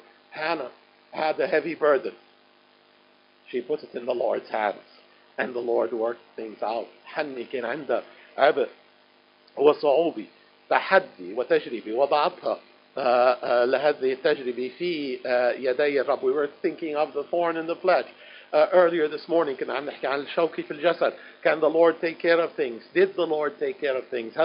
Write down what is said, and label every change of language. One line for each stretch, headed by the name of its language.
English: Hannah had a heavy burden. She put it in the Lord's hands. And the Lord worked things out.
Arabic: حني كان عنده عبء وصعوبة تحدي وتجربة وضعتها لهذه التجربة في يدي الرب.
English: We were thinking of the thorn in the flesh. Earlier this morning
Arabic: كنا عم نحكي عن الشوكة في الجسد.
English: Can the Lord take care of things? Did the Lord take care of things?